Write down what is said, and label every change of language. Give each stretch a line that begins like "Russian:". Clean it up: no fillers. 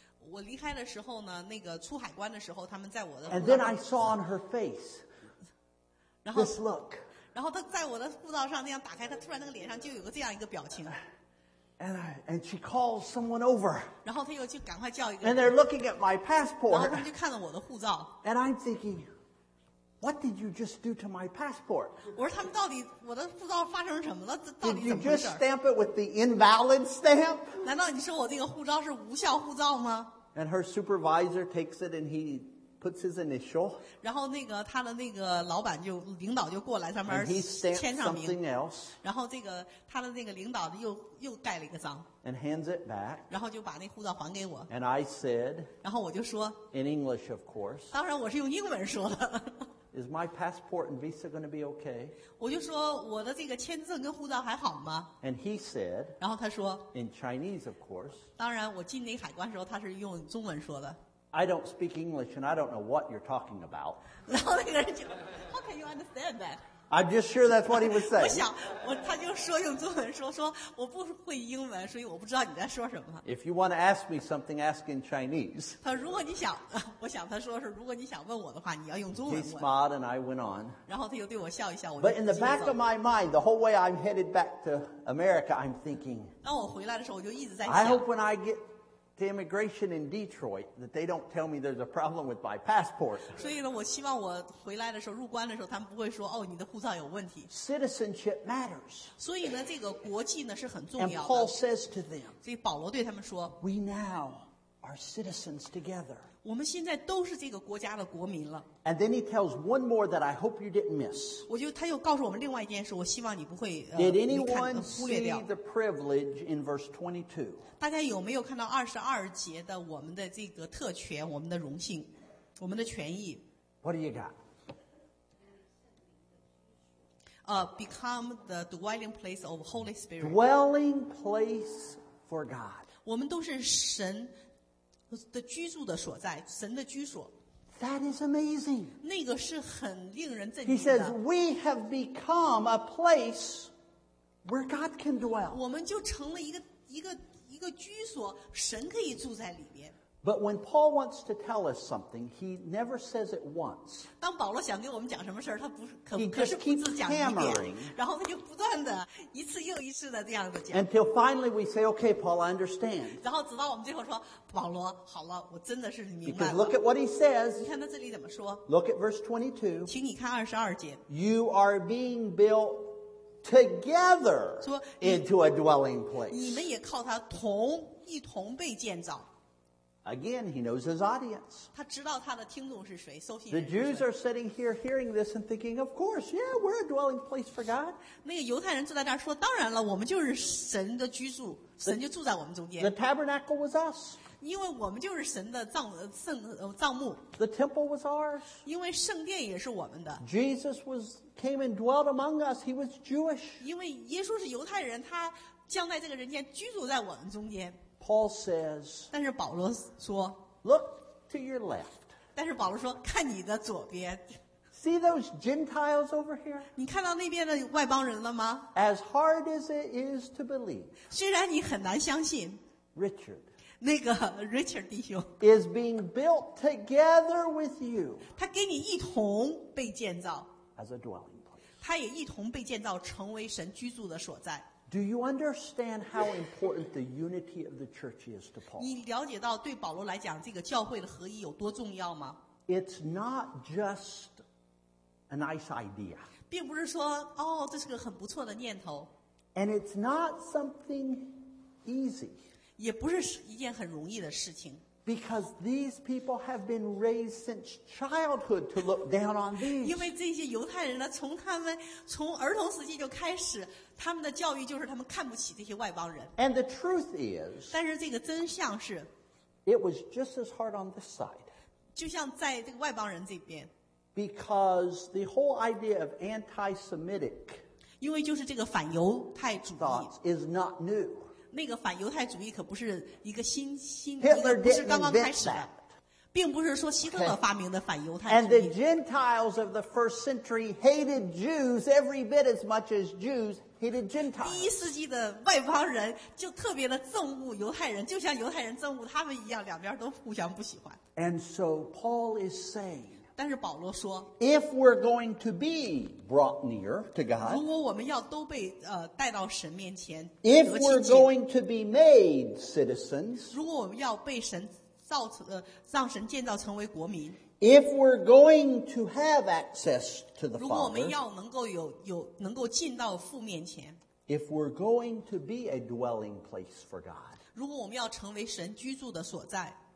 Chinese: 我离开的时候呢，那个出海关的时候，他们在我的。
English: And then I saw on her face this look.
Chinese: 然后她在我的护照上那样打开，她突然那个脸上就有个这样一个表情。
English: And she calls someone over.
Chinese: 然后他又就赶快叫一个。
English: And they're looking at my passport.
Chinese: 然后他们就看了我的护照。
English: And I'm thinking, What did you just do to my passport?
Chinese: 我说他们到底我的护照发生什么了？到底怎么回事？
English: Did you just stamp it with the invalid stamp?
Chinese: 难道你说我这个护照是无效护照吗？
English: And her supervisor takes it and he puts his initial.
Chinese: 然后那个他的那个老板就领导就过来上面签上名。
English: And he stamps something else.
Chinese: 然后这个他的那个领导又盖了一个章。
English: And hands it back.
Chinese: 然后就把那护照还给我。
English: And I said.
Chinese: 然后我就说。
English: In English, of course.
Chinese: 当然我是用英文说的。
English: Is my passport and visa going to be okay?
Chinese: 我就说我的这个签证跟护照还好吗？
English: And he said.
Chinese: 然后他说。
English: In Chinese, of course.
Chinese: 当然，我进那海关的时候，他是用中文说的。
English: I don't speak English, and I don't know what you're talking about.
Chinese: 然后那个人就
English: ，How can you understand that? I'm just sure that's what he was saying.
Chinese: 我想，我他就说用中文说我不会英文，所以我不知道你在说什么。
English: If you want to ask me something, ask in Chinese.
Chinese: 他如果你想，我想他说是如果你想问我的话，你要用中文问。
English: He smiled and I went on.
Chinese: 然后他又对我笑一笑，我就。
English: But in the back of my mind, the whole way I'm headed back to America, I'm thinking.
Chinese: 当我回来的时候，我就一直在想。
English: I hope when I get. The immigration in Detroit that they don't tell me there's a problem with my passport.
Chinese: 所以呢，我希望我回来的时候入关的时候，他们不会说哦，你的护照有问题。
English: Citizenship matters.
Chinese: 所以呢，这个国际呢是很重要的。
English: And Paul says to them.
Chinese: 所以保罗对他们说
English: ，We now are citizens together.
Chinese: 我们现在都是这个国家的国民了。
English: And then he tells one more that I hope you didn't miss.
Chinese: 我就他又告诉我们另外一件事，我希望你不会
English: Did anyone see the privilege in verse 22?
Chinese: 大家有没有看到二十二节的我们的这个特权，我们的荣幸，我们的权益
English: ？What do you got? Become the dwelling place of Holy Spirit. Dwelling place for God.
Chinese: 我们都是神的居住的所在，神的居所。
English: That is amazing.
Chinese: 那个是很令人震惊的。
English: He says, "We have become a place where God can dwell."
Chinese: 我们就成了一个居所，神可以住在里面。
English: But when Paul wants to tell us something, he never says it once.
Chinese: 当保罗想给我们讲什么事他不可不可是不止讲一遍。
English: He just keeps hammering.
Chinese: 然后他就不断的一次又一次的这样子讲。
English: Until finally we say, okay, Paul, I understand.
Chinese: 然后直到我们最后说，保罗，好了，我真的是明白了。
English: Because look at what he says.
Chinese: 你看他这里怎么说。
English: Look at verse 22.
Chinese: 请你看二十二节。
English: You are being built together into a dwelling place.
Chinese: 你们也靠他同一同被建造。
English: Again, he knows his audience.
Chinese: 他知道他的听众是谁，收信人。
English: The Jews are sitting here hearing this and thinking, "Of course, yeah, we're a dwelling place for God."
Chinese: 那个犹太人坐在那儿说：“当然了，我们就是神的居住，神就住在我们中间。”
English: The tabernacle was us.
Chinese: 因为我们就是神的帐幕。
English: The temple was ours.
Chinese: 因为圣殿也是我们的。
English: Jesus came and dwelt among us. He was Jewish.
Chinese: 因为耶稣是犹太人，他降在这个人间，居住在我们中间。
English: Paul says,
Chinese: 但是保罗说
English: look to your left.
Chinese: 但是保罗说看你的左边
English: See those Gentiles over here?
Chinese: 你看到那边的外邦人了吗
English: As hard as it is to believe,
Chinese: 虽然你很难相信
English: Richard,
Chinese: 那个 Richard 弟兄
English: is being built together with you,
Chinese: 他给你一同被建造
English: as a dwelling place.
Chinese: 他也一同被建造成为神居住的所在。
English: Do you understand how important the unity of the church is to Paul?
Chinese: 你了解到对保罗来讲，这个教会的合一有多重要吗？
English: It's not just a nice idea.
Chinese: 并不是说哦，这是个很不错的念头。
English: And it's not something easy.
Chinese: 也不是一件很容易的事情。
English: Because these people have been raised since childhood to look down on these.
Chinese: 因为这些犹太人呢，从儿童时期就开始，他们的教育就是他们看不起这些外邦人。
English: And the truth is,
Chinese: 但是这个真相是
English: ，it was just as hard on this side.
Chinese: 就像在这个外邦人这边。
English: Because the whole idea of anti-Semitic,
Chinese: 因为就是这个反犹太主义
English: thoughts is not new.
Chinese: 那个反犹太主义可不是一个新一个不是刚刚开始的，并不是说希特勒发明的反犹太主义。
English: And the Gentiles of the first century hated Jews every bit as much as Jews hated Gentiles.
Chinese: 第一世纪的外邦人就特别的憎恶犹太人，就像犹太人憎恶他们一样，两边都互相不喜欢。
English: And so Paul is saying.
Chinese: 但是保罗说
English: ，If we're going to be brought near to God，
Chinese: 如果我们要都被带到神面前
English: ，If we're going to be made citizens，
Chinese: 如果我们要被神让神建造成为国民。
English: If we're going to have access to the Father,
Chinese: 如果我们要能够有有能够进到父面前。
English: If we're going to be a dwelling place for God,
Chinese: 如果我们要成为神居住的所在。